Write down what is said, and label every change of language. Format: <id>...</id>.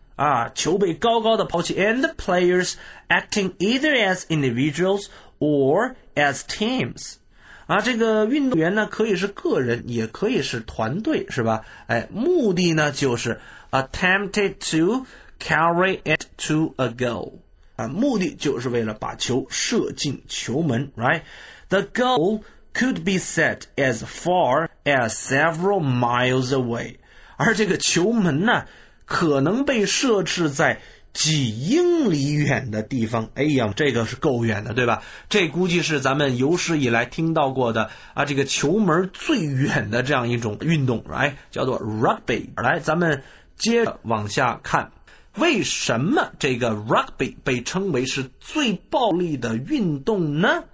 <zh>啊，球被高高的抛起</zh> <en>，and the players acting either as individuals or as teams。</en> <zh>啊，这个运动员呢，可以是个人，也可以是团队，是吧？哎，目的呢，就是</zh> <en>attempted to carry it to a goal。</en> <zh>啊，目的就是为了把球射进球门 ，right?</zh> <en>The goal could be set as far as several miles away。</en> <zh>而这个球门呢？可能被设置在几英里远的地方，哎呀，这个是够远的，对吧？这估计是咱们有史以来听到过的啊，这个球门最远的这样一种运动，来，叫做 rugby。来，咱们接着往下看，为什么这个 rugby 被称为是最暴力的运动呢？</zh>